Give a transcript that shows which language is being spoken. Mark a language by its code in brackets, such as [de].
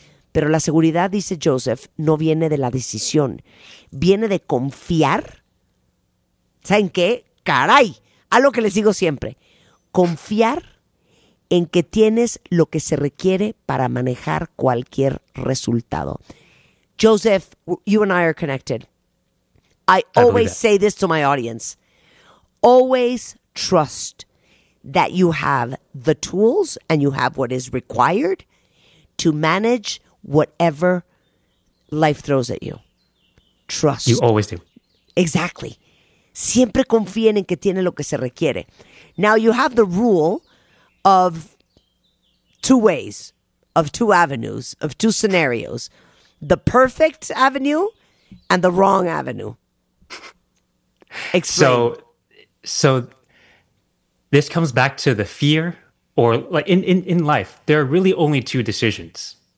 [es] Pero la seguridad, dice Joseph, no viene de la decisión. Viene de confiar. ¿Saben qué? ¡Caray! Algo que les digo siempre. Confiar en que tienes lo que se requiere para manejar cualquier resultado. [en] Joseph, you and I are connected. I always say this to my audience. Always trust that you have the tools and you have what is required to manage whatever life throws at you. Trust. You always do. Exactly. [es] Siempre confíen en que tiene lo que se requiere. [en] Now you have the rule of two ways, of two avenues, of two scenarios. The perfect avenue and the wrong avenue. Explain. So this comes back to the fear, or like in life, there are really only two decisions.